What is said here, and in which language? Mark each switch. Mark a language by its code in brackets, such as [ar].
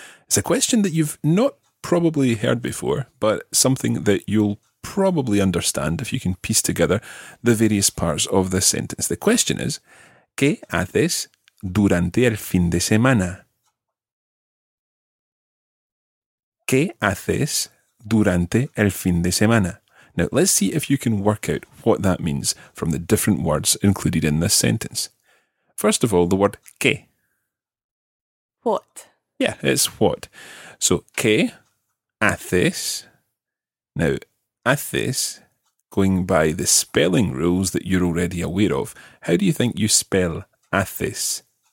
[en] It's a question that you've not probably heard before, but something that you'll probably understand if you can piece together the various parts of the sentence. The question is, [es] ¿qué haces durante el fin de semana? ¿Qué haces durante el fin de semana? [en] Now, let's see if you can work out what that means from the different words included in this sentence. First of all, the word ¿qué? What? Yeah, it's what. So, ¿qué haces? Now, haces, going by the spelling rules that you're already aware of, how do you think you spell haces?